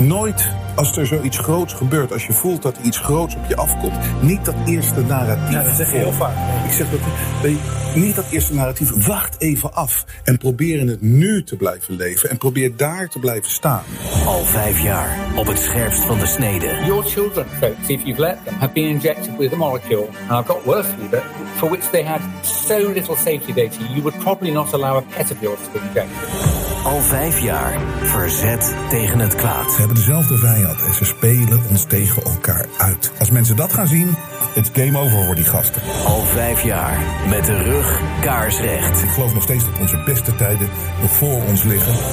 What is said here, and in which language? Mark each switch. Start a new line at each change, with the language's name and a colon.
Dutch: Nooit als er zoiets groots gebeurt, als je voelt dat iets groots op je afkomt. Niet dat eerste narratief. Ja, dat zeg je heel vaak. Ik zeg dat niet dat eerste narratief. Wacht even af en probeer in het nu te blijven leven. En probeer daar te blijven staan. Al vijf jaar op het scherpst van de snede.
English: Your children, folks, if you've let them, have been injected with a molecule. And I've got word for you, but for which they had so little safety data, you would probably not allow a pet of yours to be injected.
Dutch: Al vijf jaar verzet tegen het kwaad. Ze hebben dezelfde vijand en ze spelen ons tegen elkaar uit. Als mensen dat gaan zien, het is game over voor die gasten. Al vijf jaar met de rug kaarsrecht. Ik geloof nog steeds dat onze beste tijden nog voor ons liggen.